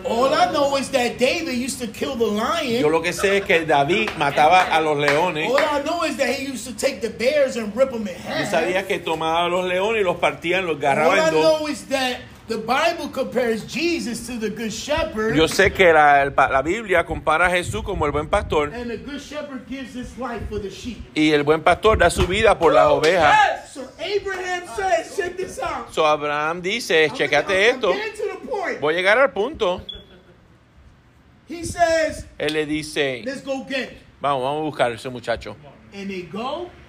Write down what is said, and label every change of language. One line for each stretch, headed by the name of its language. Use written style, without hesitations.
English: All I know is that David used to kill the lion.
Spanish: Yo lo que sé es que David mataba a los leones.
English: All I know is that he used to take the bears and rip them in half.
Spanish: Yo sabía que tomaba a los leones y los partía, los agarraba en dos.
English: All I know is that the Bible compares Jesus to the good shepherd.
Spanish: Yo sé que la Biblia compara a Jesús como el buen pastor.
English: And the good shepherd gives his life for the sheep.
Spanish: Y el buen pastor da su vida por las ovejas.
English: Yes. So Abraham says, check this out.
Spanish: So Abraham dice, checate esto.
English: I'm getting to the point.
Spanish: Voy a llegar al punto.
English: He says,
Spanish: él le dice,
English: let's go get it.
Spanish: Vamos a buscar a ese muchacho.
English: And they go.